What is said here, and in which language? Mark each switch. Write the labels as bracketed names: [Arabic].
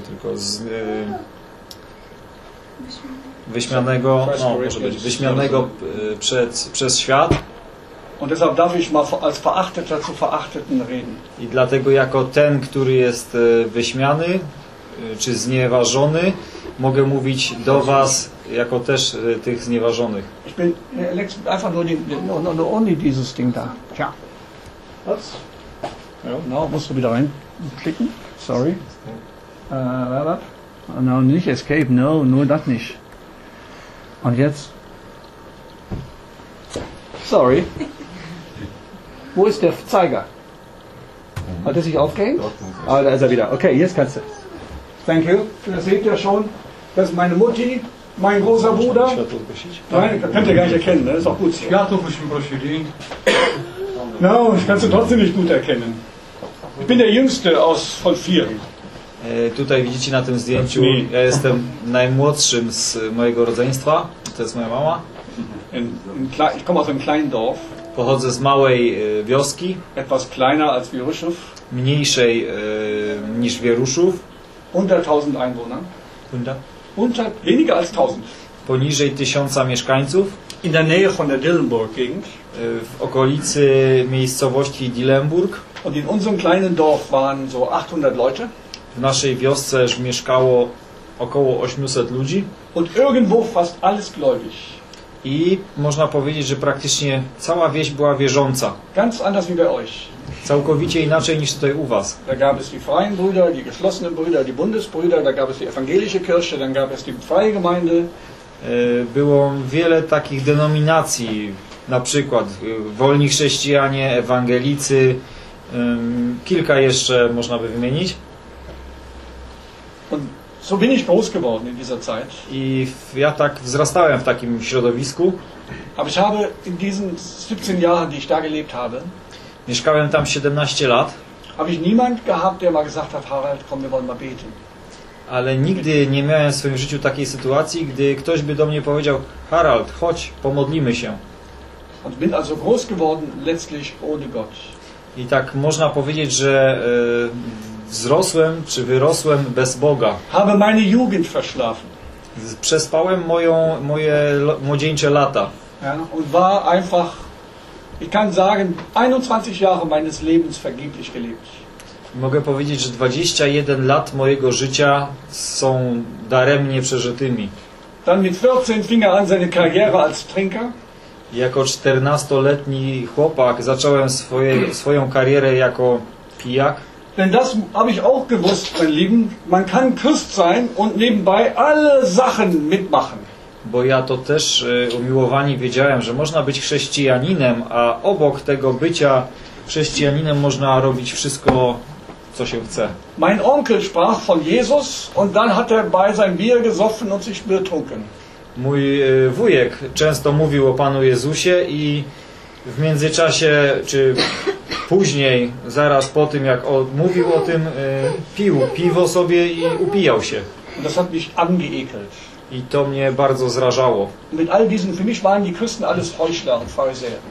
[Polish] tylko z wyśmianego, no, może być wyśmianego przez świat. [German] Und deshalb darf ich mal als Verachteter zu Verachteten reden. [Polish] I dlatego jako ten, który jest wyśmiany czy znieważony, mogę mówić do was jako też tych znieważonych. [German] Ich bin einfach nur die, no, only dieses Ding da. Tja. Was? No, musst du wieder reinklicken. Sorry. No, nicht escape, no, nur das nicht. Und jetzt? Sorry. Wo ist der Zeiger? Hat er sich aufgehängt? Ah, da ist er wieder. Okay, jetzt kannst du. [English] Thank you. [German] Das seht ihr schon. Das ist meine Mutti, mein großer Bruder. Nein, das könnt ihr gar nicht erkennen. Das ist auch gut. [Polish] Światów byśmy prosili. [German] No, ich kann es trotzdem nicht gut erkennen. Ich bin der Jüngste aus von vier. [Polish] Tutaj widzicie na tym zdjęciu, ja jestem najmłodszym z mojego rodzeństwa. To jest moja mama. [German] Ich komme aus einem kleinen Dorf. [Polish] Pochodzę z małej wioski. [German] Etwas kleiner als Wieruszów. [Polish] Mniejszej niż Wieruszów. [German] Unter 1000 Einwohner. Unter weniger als 1000. [Polish] Poniżej 1000 mieszkańców. [German] In der Nähe von der Dillenburg Gegend. [Polish] W okolicy miejscowości Dillenburg. [German] Und in unserem kleinen Dorf waren so 800 Leute. [Polish] W naszej wiosce mieszkało około 800 ludzi. [German] Und irgendwo fast alles gläubig. [Polish] I można powiedzieć, że praktycznie cała wieś była wierząca. [German] Ganz anders wie bei euch. [Polish] Całkowicie inaczej niż tutaj u was. [German] Da gab es die freien Brüder, die geschlossenen Brüder, die Bundesbrüder, da gab es die evangelische Kirche, dann gab es die freie Gemeinde. [Polish] Było wiele takich denominacji, na przykład wolni chrześcijanie, ewangelicy, kilka jeszcze można by wymienić. [German] Und so bin ich groß geworden in dieser Zeit. [Polish] I ja tak wzrastałem w takim środowisku. [German] Aber ich habe in diesen 17 Jahren, die ich da gelebt habe, [Polish] mieszkałem tam 17 lat, [German] habe ich niemand gehabt, der mal gesagt hat, Harald, komm, wir wollen mal beten. [Polish] Ale nigdy nie miałem w swoim życiu takiej sytuacji, gdy ktoś by do mnie powiedział, Harald, chodź, pomodlimy się. [German] Und bin also groß geworden letztlich ohne Gott. [Polish] I tak można powiedzieć, że wzrosłem czy wyrosłem bez Boga. [German] Habe meine Jugend verschlafen. [Polish] Przespałem moje młodzieńcze lata. [German] Ja, und war einfach, ich kann sagen, 21 Jahre meines Lebens vergeblich gelebt. [Polish] Mogę powiedzieć, że 21 lat mojego życia są daremnie przeżytymi. [German] Dann mit 14 fing er an seine Karriere als Trinker. [Polish] Jako 14-letni chłopak zacząłem swoją karierę jako pijak. [German] Denn das habe ich auch gewusst, mein Lieben. Man kann Christ sein und nebenbei alle Sachen mitmachen. [Polish] Bo ja to też umiłowani wiedziałem, że można być chrześcijaninem, a obok tego bycia chrześcijaninem można robić wszystko, co się chce. [German] Mein Onkel sprach von Jesus und dann hat bei seinem Bier gesoffen und sich betrunken. [Polish] Mój wujek często mówił o Panu Jezusie i w międzyczasie, czy później, zaraz po tym, jak mówił o tym, pił piwo sobie i upijał się. [German] Das hat mich angeekelt. [Polish] I to mnie bardzo zrażało. [German] Mit all diesen, für mich waren die Christen alles Heuchler und Pharisäer.